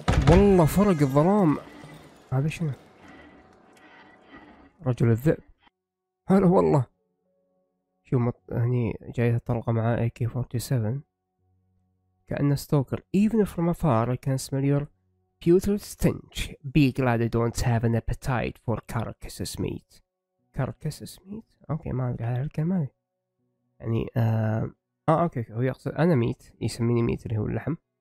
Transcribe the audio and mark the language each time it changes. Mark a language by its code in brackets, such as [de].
[ar] والله فرق الظلام هذا. شنو رجل الذئب هلا والله. شو هني جاية طلقة مع AK-47، كأنه ستوكر. [en] Even from afar I can smell your putrid stench. Be glad I don't have an appetite for carcasses meat. Carcasses meat؟ [ar] اوكي ما ادري هذه الكلمة يعني اوكي هو يقصد انا ميت، يسميني ميت اللي هو اللحم.